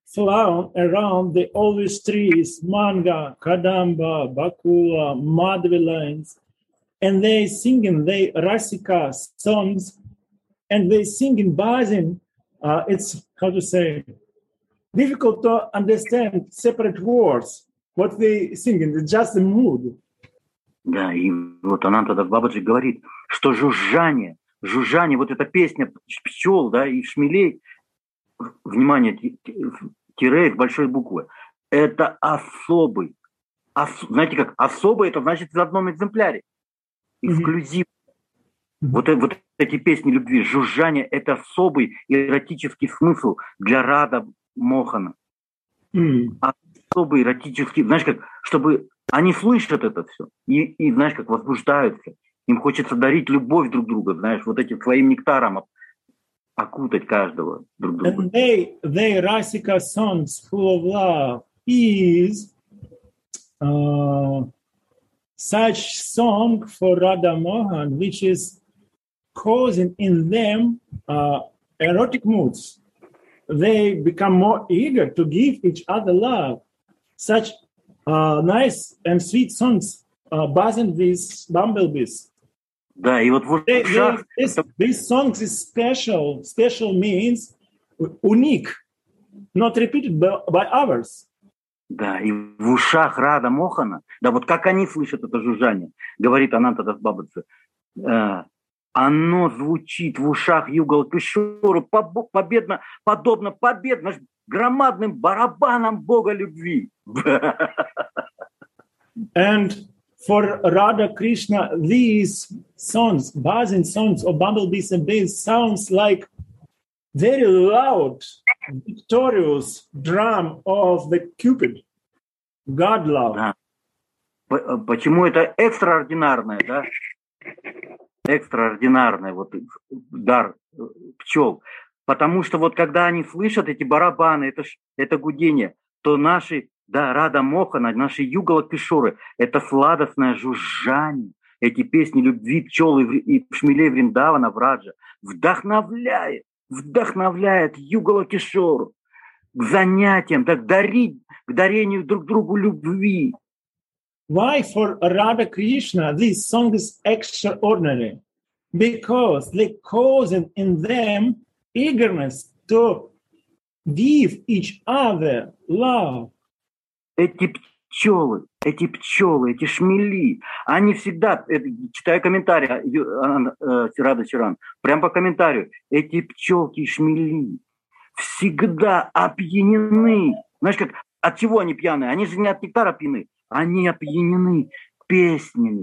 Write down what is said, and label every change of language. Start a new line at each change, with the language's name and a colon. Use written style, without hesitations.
English: flow around the olive trees, manga, kadamba, bakula, madvilains, and they singing the rasika songs, and they singing bhajan. It's how to say difficult to understand separate words. What they singing? It's just the mood.
Russian: Да, и вот она тогда Бабаджи говорит, что жужжание, вот эта песня пчел, да, и шмелей, внимание, тире, большой буквы, это особый, знаете как, особый, это значит в одном экземпляре, эксклюзивный. Mm-hmm. Вот эти песни любви, жужжание, это особый эротический смысл для Рада Мохана. Особый эротический, знаешь как, чтобы... Они слышат это все и, знаешь, как возбуждаются. Им хочется дарить любовь друг другу, знаешь, вот этим своим нектаром окутать каждого друг друга.
English: And they Rasika songs full of love is such song for Radha Mohan, which is causing in them erotic moods. They become more eager to give each other love. Such nice and sweet songs buzzing these bumblebees.
Russian: Да, и вот в ушах...
English: These songs is special. Special means unique, not repeated by others.
Russian: Да, и в ушах Рада Мохана, да вот как они слышат это жужжание, говорит Ананта Бабаджи, оно звучит в ушах Югала Кишоры победно, подобно победно громадным барабанам Бога любви.
English: And for Radha Krishna, these songs, buzzing songs of bumblebees and bees, sounds like very loud, victorious drum of the Cupid, God love.
Russian: Да. Почему это экстраординарное, да? Экстраординарное вот дар пчел. Потому что вот когда они слышат эти барабаны, это гудение, то наши Да, Рада Мохана, наши Югала Кишоры, это сладостное жужжание, эти песни любви пчел и шмелей Вриндавана, Враджа, вдохновляет Югала Кишору к занятиям, да, к дарению друг другу любви.
English: Why for Radha Krishna this song is extraordinary? Because they causing in them eagerness to give each other love.
Russian: Эти шмели, они всегда, читаю комментарии, Радха Чаран, прямо по комментарию, эти пчелки и шмели всегда опьянены. Знаешь, как, от чего они пьяны? Они же не от нектара пьяны, они опьянены песнями.